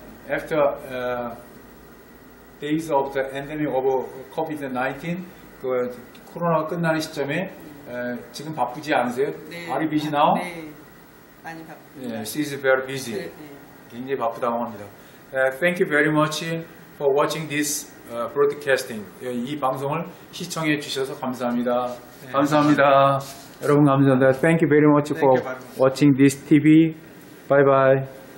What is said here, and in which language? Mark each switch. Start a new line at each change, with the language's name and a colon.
English: After days of the pandemic of COVID-19,
Korean: 그 코로나 끝나는 시점에 지금 바쁘지 않으세요? 네.
English: Are you busy now?
Korean: 네. 많이 바쁩니다.
English: She is very busy.
Korean: 네, 네. 굉장히 바쁘다고 합니다.
English: Thank you very much for watching this broadcasting.
Korean: 이 방송을 시청해 주셔서 감사합니다. 네. 감사합니다. 네. 여러분 감사합니다.
English: Thank you very much for watching this TV. Bye bye.